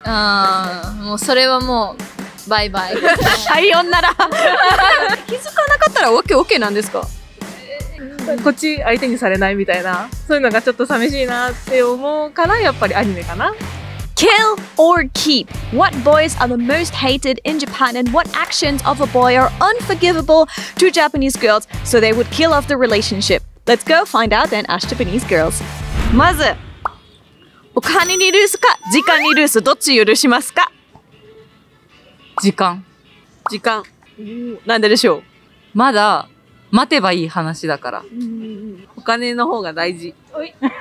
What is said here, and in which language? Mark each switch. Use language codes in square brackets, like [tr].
[ja] あもうそれはもうバイバイ。体温なら気づかなかったらオッケーオッケーなんですか、こっち相手にされないみたいな、そういうのがちょっと寂しいなって思うからやっぱりアニメかな。 [en] Kill or keep? What boys are the most hated in Japan and what actions of a boy are unforgivable to Japanese girls so they would kill off the relationship? Let's go find out and ask Japanese girls. [ja] まずお金にルースか時間にルース、どっち許しますか？時間。時間。なんででしょう？まだ待てばいい話だから。お金の方が大事。おい。